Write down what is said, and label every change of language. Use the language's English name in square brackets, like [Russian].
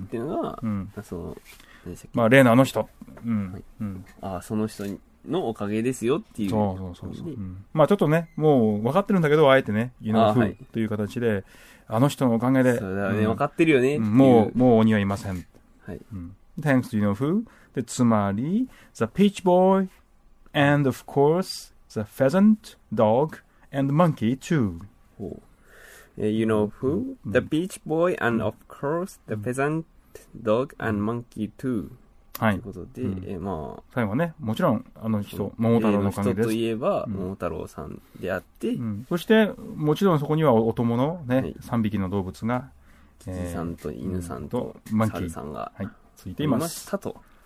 [Japanese] っていうのが、うん、あ、そう。まあ、例のあの人。うん。はい、あ、その人のおかげですよっていう。そうそうそう。うん、まあ、ちょっとね、もう分かってるんだけど、あえてね、 [English] you know who? [Japanese] という形で、あの人のおかげで。そうだね、うん、分かってるよね。もう鬼はいません。はい。 [English] うん、Thanks to you know who? で、つまり、the peach boy, and of course, the pheasant, dog, and monkey too. You know who? The peach boy, and of course, the pheasant, dog, and monkey too. [Japanese] はい。ということで、うん、まあ。最後ね、もちろん、あの人、桃太郎のおかげです。桃太郎といえば、桃太郎さんであって、うん。そして、もちろんそこにはお供のね、はい、3匹の動物が、羊さんと犬さんと、マンキーさんが、はい、ついています。いましたと。